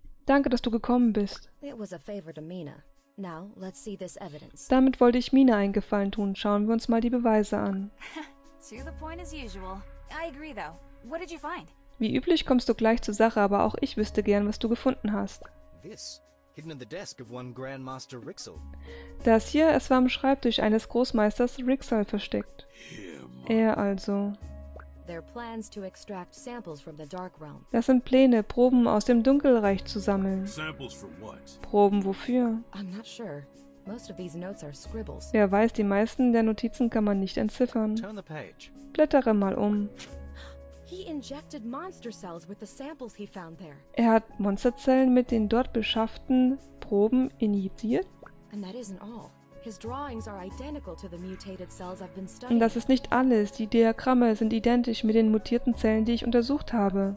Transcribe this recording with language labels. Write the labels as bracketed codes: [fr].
[de] Danke, dass du gekommen bist. [en] It was a favor to Mina. Now, let's see this evidence. [de] Damit wollte ich Mina einen Gefallen tun. Schauen wir uns mal die Beweise an. [en] To the point as usual. I agree, though. What did you find? [de] Wie üblich kommst du gleich zur Sache, aber auch ich wüsste gern, was du gefunden hast. [en] This. Hidden in the desk of one Grandmaster Rixel. [de] Das hier, es war am Schreibtisch eines Großmeisters Rixel versteckt. Er also. [en] Their plans to extract samples from the Dark Realm. [de] Das sind Pläne, Proben aus dem Dunkelreich zu sammeln. [en] Samples for what? [de] Proben wofür? [en] I'm not sure. Most of these notes are scribbles. [de] Wer weiß, die meisten der Notizen kann man nicht entziffern. [en] Turn the page. [de] Blättere mal um. [en] He injected monster cells with the samples he found there. [de] Er hat Monsterzellen mit den dort beschafften Proben injiziert. [en] And that isn't all. His drawings are identical to the mutated cells I've been studying. [de] Und das ist nicht alles. Die Diagramme sind identisch mit den mutierten Zellen, die ich untersucht habe.